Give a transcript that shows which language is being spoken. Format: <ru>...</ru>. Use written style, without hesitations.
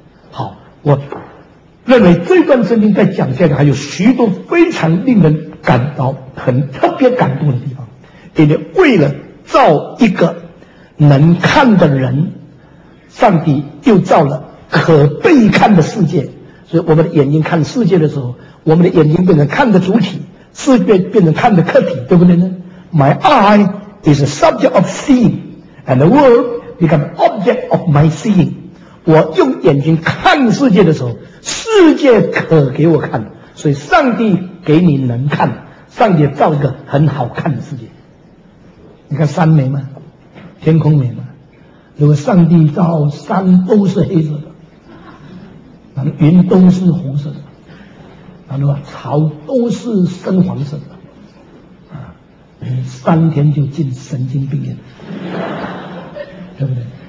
<zh>好，我认为这段圣经在讲下来还有许多非常令人感到很特别感动的地方，因为为了造一个能看的人，上帝又造了可被看的世界，所以我们的眼睛看世界的时候，我们的眼睛变成看的主体，世界变成看的客体，对不对呢？</zh> <en>My eye is a subject of seeing and the world become an object of my seeing。</en> <zh>我用眼睛看世界的时候，世界可给我看，所以上帝给你能看，上帝造一个很好看的世界。你看山美吗？天空美吗？如果上帝造山都是黑色的，那云都是红色的，那么草都是深黄色的，你三天就进神经病院，对不对？</zh>